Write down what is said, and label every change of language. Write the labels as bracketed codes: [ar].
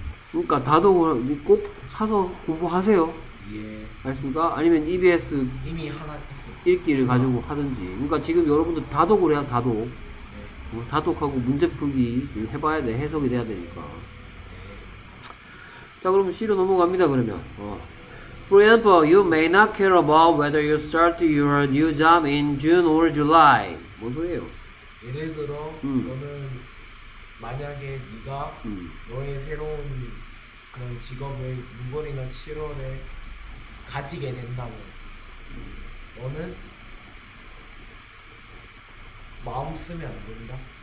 [ko] 그러니까 다독을 꼭 사서 공부하세요. 예. 알겠습니다. 아니면 EBS 이미 하나 했어. 읽기를 주나. 가지고 하든지. 그러니까 지금 여러분들 다독을 해야 다독. 네. 다독하고 문제 풀기 해봐야 돼. 해석이 돼야 되니까. 자, 그럼 C로 넘어갑니다. 그러면. [en] For example, you may not care about whether you start your new job in June or July. [ko] 뭔 소리예요? 예를 들어, 너는 만약에 네가 너의 새로운 그런 직업을 6월이나 7월에 가지게 된다면 너는 마음 쓰면 안 된다.